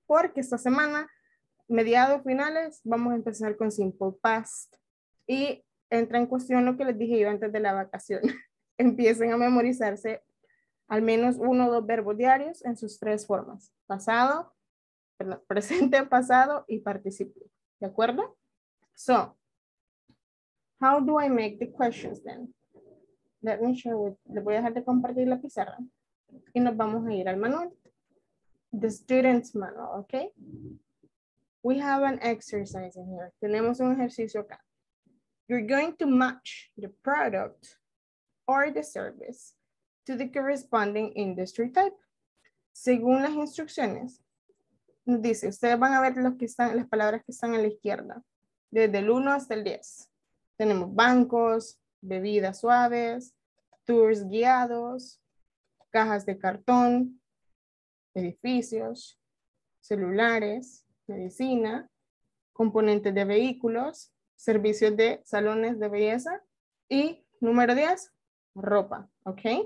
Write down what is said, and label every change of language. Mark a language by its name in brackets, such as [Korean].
[Spanish] Porque esta semana, mediados, finales, vamos a empezar con Simple Past. Y entra en cuestión lo que les dije yo antes de la vacación. Empiecen a memorizarse al menos uno o dos verbos diarios en sus tres formas. Pasado, perdón, presente, pasado y participio. ¿De acuerdo? [English] So, how do I make the questions then? Let me show you. [Spanish] Les voy a dejar de compartir la pizarra. Y nos vamos a ir al manual. [English] The student's manual, okay? We have an exercise in here. [Spanish] Tenemos un ejercicio acá. [English] You're going to match the product or the service to the corresponding industry type. [Spanish] Según las instrucciones, dice, ustedes van a ver los que están, las palabras que están a la izquierda, desde el 1 hasta el 10. Tenemos bancos, bebidas suaves, tours guiados, cajas de cartón, edificios, celulares, medicina, componentes de vehículos, servicios de salones de belleza y número 10, ropa, ¿ok?